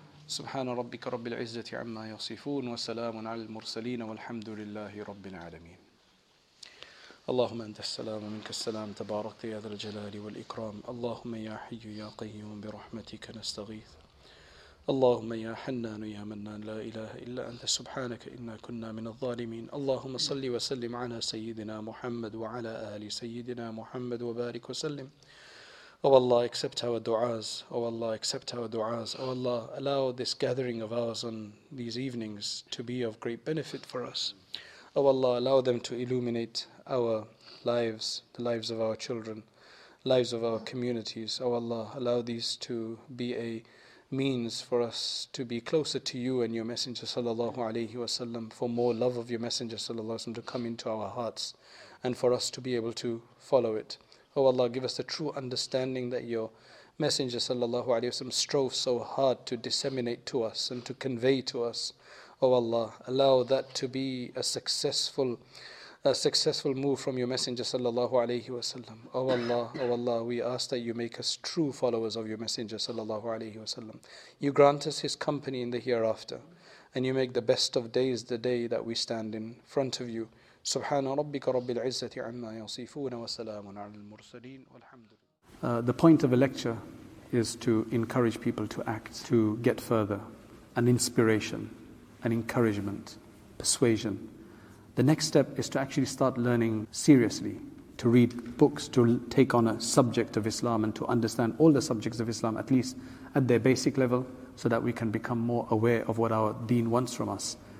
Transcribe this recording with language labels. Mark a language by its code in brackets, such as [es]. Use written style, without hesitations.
[ar] سبحان ربك رب العزة عما يصفون وسلام على المرسلين والحمد لله رب العالمين اللهم أنت السلام منك السلام تبارك يا ذا الجلال والإكرام اللهم يا حي يا قيوم برحمتك نستغيث اللهم يا حنان يا منان لا إله إلا أنت سبحانك إنا كنا من الظالمين اللهم صل وسلم على سيدنا محمد وعلى آل سيدنا محمد وبارك وسلم [en] Oh Allah, accept our du'as. Oh Allah, accept our du'as. Oh Allah, allow this gathering of ours on these evenings to be of great benefit for us. Oh Allah, allow them to illuminate our lives, the lives of our children, lives of our communities. Oh Allah, allow these to be a means for us to be closer to you and your Messenger sallallahu alayhi wa sallam, for more love of your Messenger sallallahu alayhi wa sallam to come into our hearts and for us to be able to follow it. Oh Allah, give us the true understanding that your Messenger sallallahu alayhi wa sallam strove so hard to disseminate to us and to convey to us. Oh Allah, allow that to be a successful move from your Messenger sallallahu alayhi wa sallam. Oh Allah, we ask that you make us true followers of your Messenger sallallahu alayhi wa sallam. You grant us his company in the hereafter, and you make the best of days the day that we stand in front of you. [ar] سبحان ربك رب العزة عما يصفون وسلام على المرسلين والحمد لله. [en] The point of a lecture is to encourage people to act, to get further, an inspiration, an encouragement, persuasion. The next step is to actually start learning seriously, to read books, to take on a subject of Islam and to understand all the subjects of Islam, at least at their basic level, so that we can become more aware of what our deen wants from us.